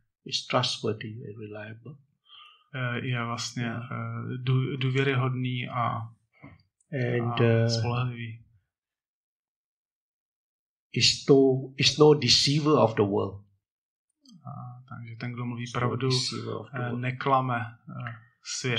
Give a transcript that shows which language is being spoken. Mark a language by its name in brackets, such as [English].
[English] Is trustworthy and reliable. [Czech] Je vlastně důvěryhodný a spolehlivý. [English] Is no deceiver of the world. [Czech] Takže ten, kdo mluví pravdu, neklame svět.